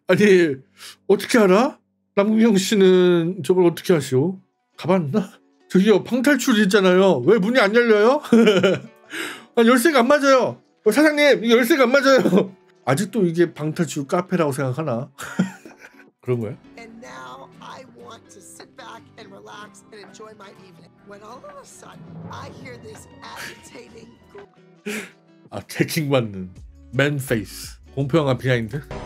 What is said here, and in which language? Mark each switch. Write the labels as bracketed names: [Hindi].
[Korean] 아니 어떻게 알아? 남궁경 씨는 저걸 어떻게 아시오? 가봤나? 저기요 방탈출 있잖아요. 왜 문이 안 열려요? 아 열쇠가 안 맞아요. 사장님 열쇠가 안 맞아요. 아직도 이게 방탈출 카페라고 생각하나? 그런 거야? [English] And now I want to sit back and relax and enjoy my evening. When all of a sudden I hear this agitating. [Korean] 아 태킹 받는 맨 페이스 공포 영화 비하인드.